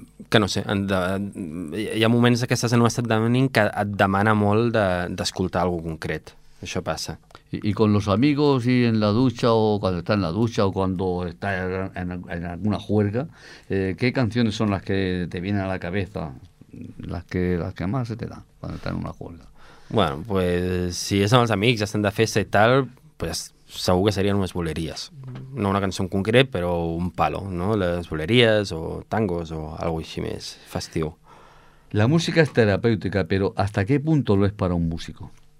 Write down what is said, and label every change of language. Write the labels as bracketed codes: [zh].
[ca] que no sé, hi ha moments que estàs en un estat d'ànim que et demana molt d'escoltar alguna cosa concret. Això passa. [es] I con los amigos y en la ducha, o cuando estás en la ducha, o cuando estás en alguna juerga, ¿qué canciones son las que te vienen a la cabeza, las que más se te dan cuando estás en una juerga? [ca] Bueno, pues si és amb els amics, estan de festa i tal, pues segur que serien unes boleries. No una cançó en concret, però un palo, no? Les boleries o tangos o algo així més festiu. La música és terapèutica, però [es] ¿hasta qué punto lo es para un músico?